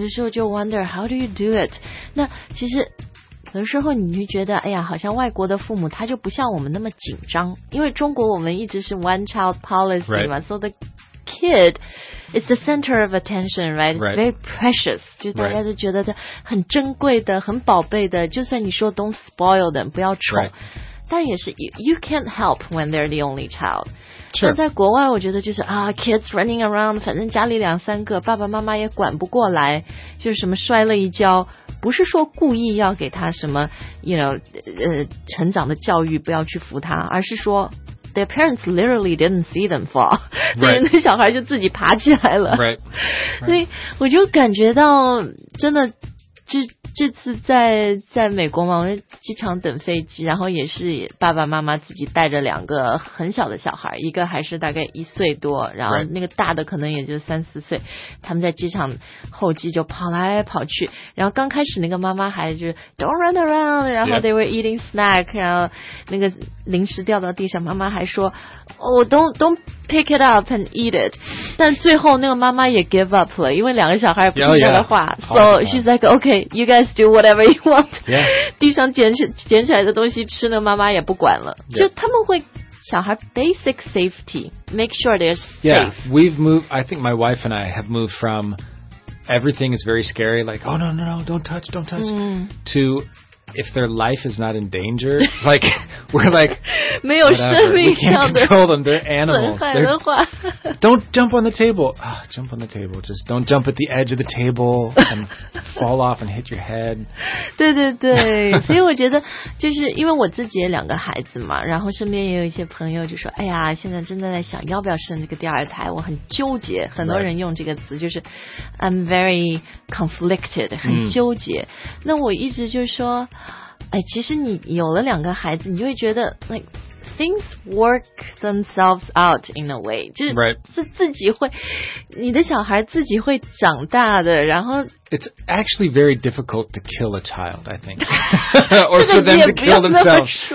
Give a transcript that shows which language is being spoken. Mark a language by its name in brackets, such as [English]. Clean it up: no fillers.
[Chinese] 的时候就 [English] wonder how do you do it? [Chinese] 那其实有的时候你就觉得，哎呀，好像外国的父母他就不像我们那么紧张，因为中国我们一直是 [English] one child policy [Chinese] 嘛、 [English] right. ，so the kid, it's the center of attention, right? Right. Very precious. [Chinese] 就大家都觉得它很珍贵的，很宝贝的。就算你说 [English] don't spoil them, [Chinese] 不要宠。 [English] Right. [Chinese] 但也是 [English] you can't help when they're the only child. Sure. [Chinese] 但在国外我觉得就是啊 [English] kids running around, [Chinese] 反正家里两三个爸爸妈妈也管不过来，就是什么摔了一跤。不是说故意要给他什么 [English] you know, [Chinese] 成长的教育不要去扶他，而是说 [English] their parents literally didn't see them fall. Right. [Chinese] 所以那小孩就自己爬起来了。 [English] Right. Right. [Chinese] 所以我就感觉到真的 这次 在美国嘛，我在机场等飞机，然后也是爸爸妈妈自己带着两个很小的小孩，一个还是大概一岁多，然后那个大的可能也就三四岁，他们在机场候机就跑来跑去，然后刚开始那个妈妈还就是 [English] don't run around, [Chinese] 然后 [English] they were eating snack, [Chinese] 然后那个零食掉到地上，妈妈还说 [English] oh, don't pick it up and eat it. [Chinese] 但最后那个妈妈也 [English] give up [Chinese] 了，因为两个小孩不听她的话。 [English] Yeah, yeah. So she's like, okay, you guys do whatever you want. Yeah. [Chinese] 地上捡起来的东西吃，那妈妈也不管了。 [English] Yeah. [Chinese] 就他们会小孩 [English] basic safety, make sure they're safe. Yeah, we've moved, I think my wife and I have moved from everything is very scary, like, oh, no, don't touch, mm. to... If their life is not in danger, like, we're like, whatever, we can't control them, they're animals. They're, don't jump on the table. Oh, jump on the table. Just don't jump at the edge of the table and fall off and hit your head. [Chinese] 对对对，所以我觉得就是因为我自己也两个孩子嘛，然后身边也有一些朋友就说，哎呀，现在真的在想要不要生这个第二胎，我很纠结。很多人用这个词就是 [English] I'm very conflicted, [Chinese] 很纠结。那我一直就说哎，其实你有了两个孩子，你就会觉得 [English] like things work themselves out in a way, [Chinese] 就是 [English] right. [Chinese] 自己会，你的小孩自己会长大的。然后 [English] it's actually very difficult to kill a child, I think, or for them to kill themselves.